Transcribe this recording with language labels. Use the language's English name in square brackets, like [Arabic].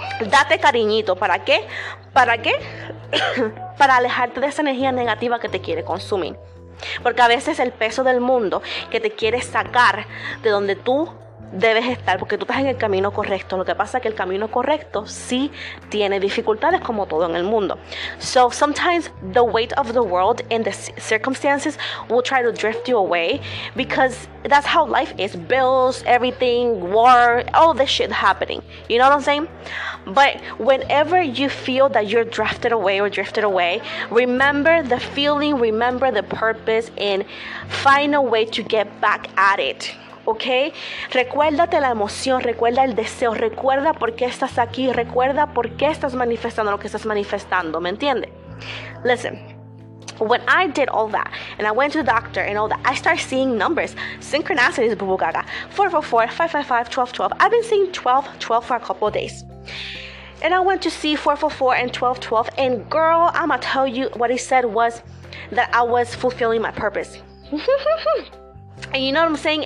[Spanish] Date cariñito, ¿para qué? ¿Para qué? Para alejarte de esa energía negativa que te quiere consumir. Porque a veces el peso del mundo que te quiere sacar de donde tú debes estar, porque tú estás en el camino correcto. Lo que pasa es que el camino correcto sí tiene dificultades, como todo en el mundo. [English] So sometimes the weight of the world and the circumstances will try to drift you away, because that's how life is. Bills, everything, war, all this shit happening. You know what I'm saying? But whenever you feel that you're drafted away or drifted away, remember the feeling, remember the purpose, and find a way to get back at it. ¿Ok? [Spanish] Recuérdate la emoción, recuerda el deseo, recuerda por qué estás aquí, recuerda por qué estás manifestando lo que estás manifestando, ¿me entiendes? [English] Listen, when I did all that, and I went to the doctor and all that, I started seeing numbers, synchronicities, bubugaga, 444, 555, 1212, I've been seeing 1212 for a couple of days. And I went to see 444 and 1212, and girl, I'ma tell you what he said was that I was fulfilling my purpose. And you know what I'm saying?